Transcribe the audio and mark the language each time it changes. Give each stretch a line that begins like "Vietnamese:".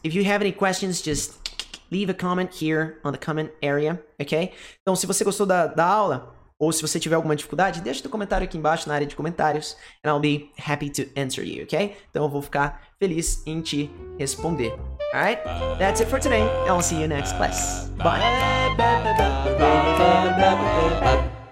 English: If you have any questions, just leave a comment here on the comment area. Okay?
Portuguese: Então se você gostou da aula, ou se você tiver alguma dificuldade, deixa seu comentário aqui embaixo na área de comentários.
English: And I'll be happy to answer you, okay?
Portuguese: Então eu vou ficar feliz em te responder.
English: Alright? That's it for today. And I'll see you next class. Bye.